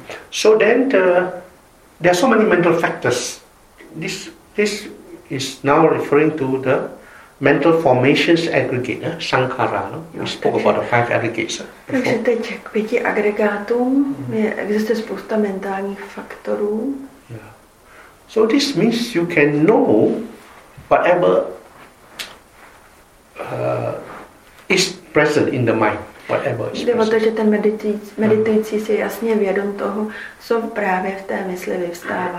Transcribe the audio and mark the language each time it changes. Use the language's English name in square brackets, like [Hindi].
[English] So then, there are so many mental factors. This is now referring to the mental formations aggregate, sankhara. No? We spoke about the five aggregates. [Czech] Takže teď k pěti agregátům existuje spousta mentálních faktorů. [English] So this means you can know whatever is present in the mind, whatever is present. [Czech] Jde o to, že ten meditující si jasně vědom toho, co právě v té mysli vyvstává.